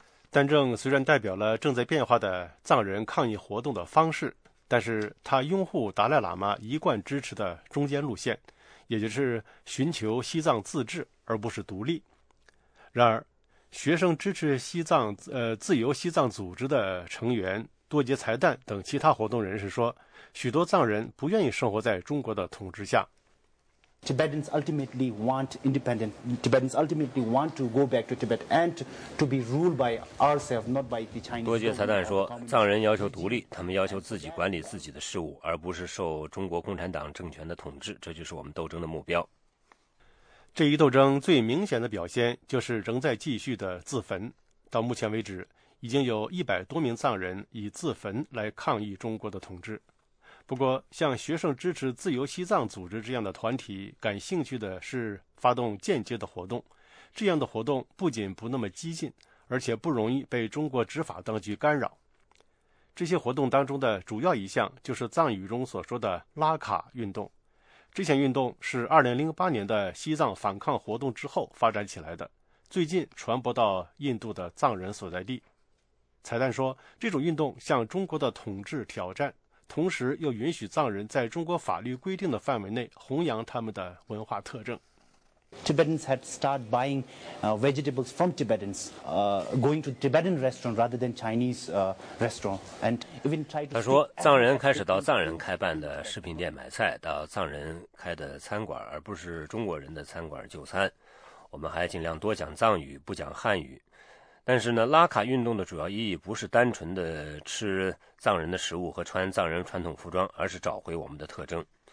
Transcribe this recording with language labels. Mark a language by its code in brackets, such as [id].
[zh] 丹正虽然代表了正在变化的藏人抗议活动的方式，但是他拥护达赖喇嘛一贯支持的中间路线，也就是寻求西藏自治而不是独立。然而，学生支持西藏自由西藏组织的成员多杰才旦等其他活动人士说，许多藏人不愿意生活在中国的统治下。 [en] Tibetans ultimately want independent. Tibetans ultimately want to go back to Tibet and to be ruled by ourselves, not by the Chinese. [zh] 多杰才旦说，藏人要求独立，他们要求自己管理自己的事务，而不是受中国共产党政权的统治。这就是我们斗争的目标。这一斗争最明显的表现就是仍在继续的自焚。到目前为止，已经有100多名藏人以自焚来抗议中国的统治。不过，像学生支持自由西藏组织这样的团体感兴趣的是发动间接的活动。这样的活动不仅不那么激进，而且不容易被中国执法当局干扰。这些活动当中的主要一项就是藏语中所说的拉卡运动。这项运动是2008年的西藏反抗活动之后发展起来的，最近传播到印度的藏人所在地。彩蛋说，这种运动向中国的统治挑战，同时又允许藏人在中国法律规定的范围内弘扬他们的文化特征。 [en] Tibetans had started buying vegetables from Tibetans, going to Tibetan restaurant rather than Chinese restaurant, and even tried to. [zh] 他说，藏人开始到藏人开办的食品店买菜，到藏人开的餐馆，而不是中国人的餐馆就餐。我们还尽量多讲藏语，不讲汉语。但是呢，拉卡运动的主要意义不是单纯的吃藏人的食物和穿藏人传统服装，而是找回我们的特征。